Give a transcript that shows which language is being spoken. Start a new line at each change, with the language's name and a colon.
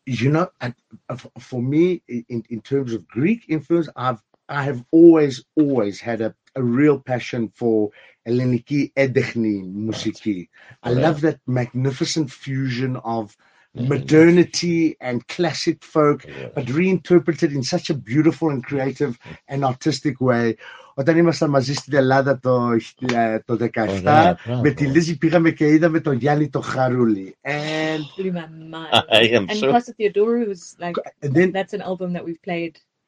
English: you know, for me, in terms of Greek influence, I have always had a real passion for Helleniki edekhni musiki. I love that magnificent fusion of modernity and classic folk, but reinterpreted in such a beautiful and creative and artistic way.
Greek: Όταν ήμασταν μαζί στην Ελλάδα το 2017, με τη Λίζη πήγαμε και είδαμε τον Γιάννη το Χαρούλη.
English: And blew my mind. And sure. Costa Theodorou was that's an album that we've played.